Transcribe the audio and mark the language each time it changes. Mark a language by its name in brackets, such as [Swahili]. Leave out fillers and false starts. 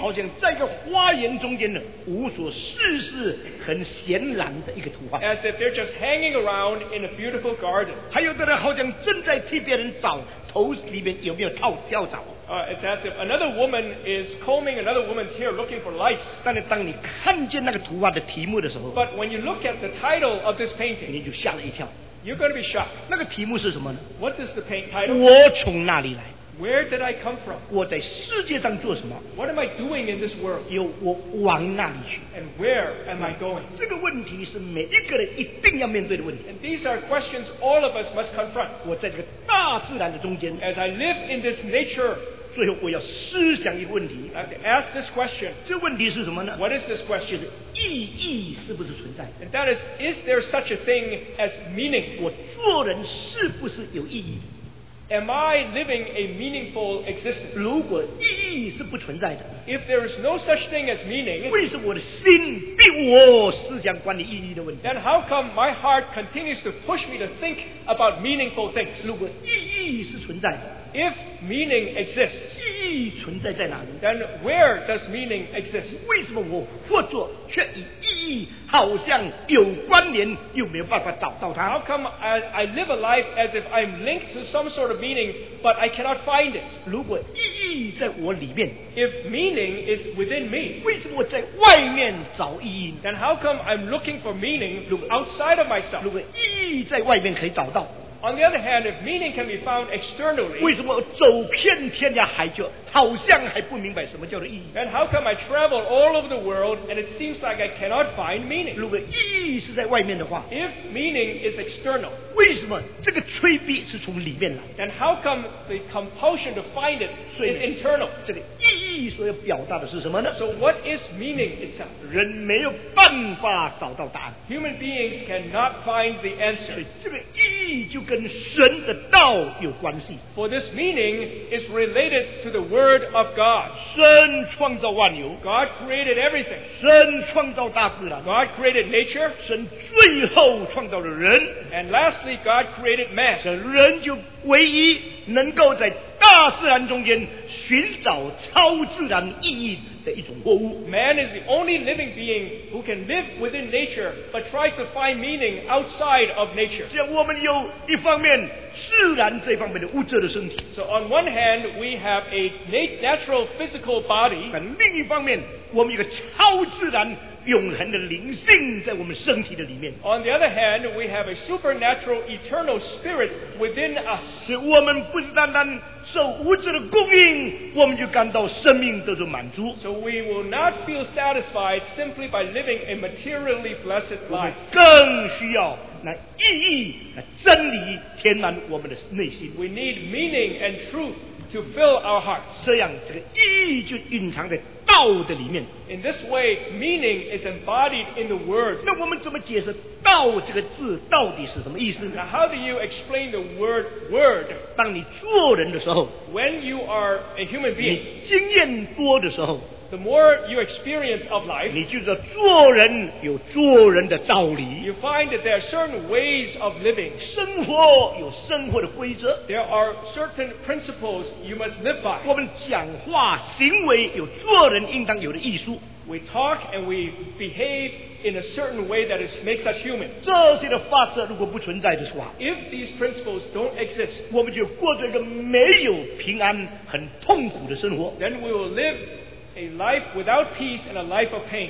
[Chinese] 好像在一个花园中间的无所事事，很闲然的一个图画。 [English] As if they're just hanging around in a beautiful garden. [Chinese] 还有的人好像正在替别人找头里面有没有套跳蚤。 [English] It's as if another woman is combing another woman's hair looking for lice. [Chinese] 但是当你看见那个图画的题目的时候， [English] But when you look at the title of this painting, [Chinese] 你就吓了一跳。 [English] You're going to be shocked. [Chinese] 那个题目是什么呢？ [English] What is the paint title? [Chinese] 我从哪里来？ [English] Where did I come from? [Chinese] 我在世界上做什么？ [English] What am I doing in this world? [Chinese] 又我往哪里去？ [English] And where am I going? [Chinese] 这个问题是每一个人一定要面对的问题。 [English] And these are questions all of us must confront. [Chinese] 我在这个大自然的中间。 [English] As I live in this nature. [Chinese] 最后我要思想一个问题。 [English] I have to ask this question. [Chinese] 这问题是什么呢？ [English] What is this question? [Chinese] 意义是不是存在？ [English] And that is there such a thing as meaning? [Chinese] 我做人是不是有意义？ [English] Am I living a meaningful existence? [Chinese] 如果意义是不存在的， [English] If there is no such thing as meaning, [Chinese] 为什么我的心逼我思想关于意义的问题？ [English] Then how come my heart continues to push me to think about meaningful things? [Chinese] 如果意义是存在的， [English] If meaning exists, [Chinese] 意义存在在哪里？ [English] Then where does meaning exist? [Chinese] 为什么我或者却与意义好像有关联，又没有办法找到它？ [English] How come I live a life as if I'm linked to some sort of meaning, but I cannot find it? [Chinese] 如果意义在我里面， [English] If meaning is within me, [Chinese] 为什么我在外面找意义？ [English] Then how come I'm looking for meaning outside of myself? [Chinese] 如果意义在外面可以找到。 [English] On the other hand, if meaning can be found externally, [Chinese] 为什么我走遍天涯海角，好像还不明白什么叫做意义？ [English] Then how come I travel all over the world and it seems like I cannot find meaning? [Chinese] 如果意义是在外面的话， [English] If meaning is external, [Chinese] 为什么这个催逼是从里面来？ [English] Then how come the compulsion to find it is internal? [Chinese] 这个意义所要表达的是什么呢？ [English] So what is meaning itself? [Chinese] 人没有办法找到答案。 [English] Human beings cannot find the answer. [Chinese] 所以这个意义就跟神的道有关系。 [English] For this meaning is related to the Word of God. [Chinese] 神创造万有。 [English] God created everything. [Chinese] 神创造大自然。 [English] God created nature. [Chinese] 神最后创造了人。 [English] And lastly, God created man. [Chinese] 神人就唯一能够在大自然中间寻找超自然意义的一种活物。 [English] Man is the only living being who can live within nature but tries to find meaning outside of nature. [Chinese] 这样我们有一方面自然这方面的物质的身体。 [English] So on one hand we have a natural physical body. [Chinese] 但另一方面我们有个超自然永恒的灵性在我们身体的里面。 [English] On the other hand, we have a supernatural eternal spirit within us. [Chinese] 是我们不是单单受物质的供应，我们就感到生命得到满足。 [English] So we will not feel satisfied simply by living a materially blessed life. [Chinese] 我们更需要那意义，那真理填满我们的内心。 [English] We need meaning and truth to fill our hearts. [Chinese] 这样这个意义就蕴藏在道的里面。 [English] In this way, meaning is embodied in the word. [Chinese] 那我们怎么解释道这个字到底是什么意思呢？ [English] Now, how do you explain the word? [Chinese] 当你做人的时候， [English] When you are a human being, [Chinese] 你经验多的时候， [English] The more you experience of life, [Chinese] 你就知道做人有做人的道理。 [English] You find that there are certain ways of living. [Chinese] 生活有生活的规则。 [English] There are certain principles you must live by. [Chinese] 我们讲话行为有做人应当有的艺术。 [English] We talk and we behave in a certain way that is, makes us human. If these principles don't exist, then we will live a life without peace and a life of pain.